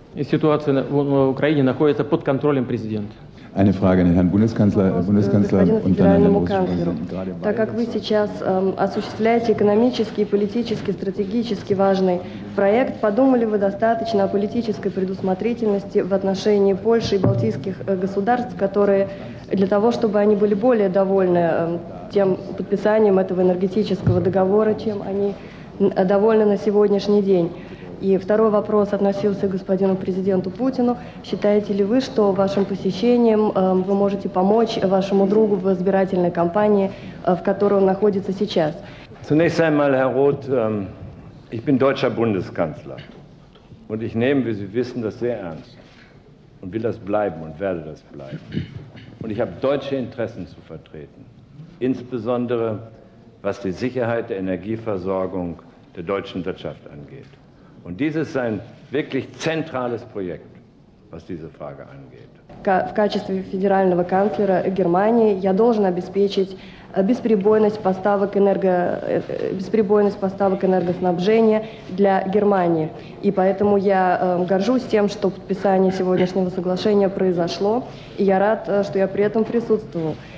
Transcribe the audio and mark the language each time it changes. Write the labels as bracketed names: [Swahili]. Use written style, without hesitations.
[Russian] Ситуация в Украине находится под контролем президента. [German] Eine Frage an den Herrn Bundeskanzler, Bundeskanzler und dann an den russischen Präsidenten. [Russian] Так как вы сейчас осуществляете экономический, политический, стратегически важный проект, подумали вы достаточно о политической предусмотрительности в отношении Польши и Балтийских государств, которые для того, чтобы они были более довольны тем подписанием этого энергетического договора, чем они довольны на сегодняшний день? И второй вопрос относился к господину президенту Путину. Считаете ли вы, что вашим посещением вы можете помочь вашему другу в избирательной кампании, в которой он находится сейчас? [German] Zunächst einmal, Herr Roth, ich bin deutscher Bundeskanzler. Und ich nehme, wie Sie wissen, das sehr ernst. Und will das bleiben und werde das bleiben. Und ich habe deutsche Interessen zu vertreten. Insbesondere, was die Sicherheit der Energieversorgung der deutschen Wirtschaft angeht. Und dies ist ein wirklich zentrales Projekt, was diese Frage angeht. [Russian] В качестве федерального канцлера Германии я должен обеспечить бесперебойность поставок энергоснабжения для Германии. И поэтому я горжусь тем, что подписание сегодняшнего соглашения произошло, и я рад, что я при этом присутствовал.